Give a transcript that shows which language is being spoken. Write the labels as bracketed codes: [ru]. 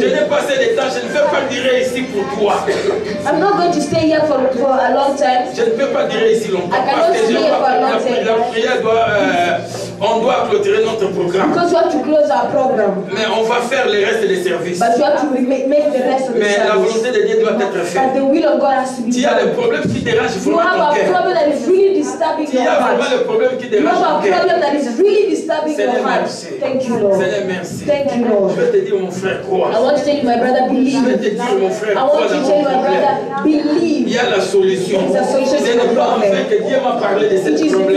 [fr] Je n'ai pas assez de temps. Je ne veux pas dire ici pour toi. [en] I'm not going to stay here for a long time. [fr] Je ne peux pas dire ici longtemps. [en] I cannot stay here for a long time. [fr] La prière doit. On doit clôturer notre programme. [en] Because we have to close our program. [fr] Mais on va faire le reste des services. [en] But you have to make the rest of the [fr] mais [en] service. [fr] La volonté de Dieu doit être faite. [en] But the will of God has to be done. [fr] Tu as le problème qui dérange vraiment ton cœur. [en] You have a problem that is really disturbing your heart. [fr] Tu as vraiment le problème qui dérange ton cœur. [en] You have a problem that is really disturbing your heart. [fr] Seigneur merci. [en] Thank you Lord. [fr] Seigneur merci. [en] Thank you Lord. [fr] Je vais te dire mon frère quoi. [en] I want to tell you my brother believe. [fr] Je vais te dire mon frère quoi. [en] I want to tell you my brother believe. [fr] Il y a la solution. [en] It's a solution. [fr] Ce n'est pas en fait que Dieu m'a parlé de ce problème.